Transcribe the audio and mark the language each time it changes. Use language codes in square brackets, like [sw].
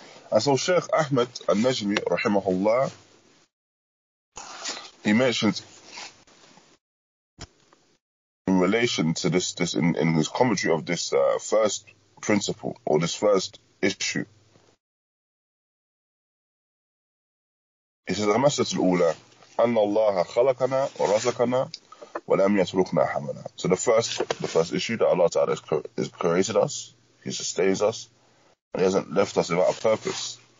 [en] And so Shaykh Aḥmad, an-Najmī, rahimahullah, he mentions in relation to this in his commentary of this first principle, or this first issue, is the message al-ula. [ar] أن الله خلقنا ورزقنا ولم يتركنا حملا. [en] So the first issue that Allah Ta'ala has created us, He sustains us, and He hasn't left us without a purpose.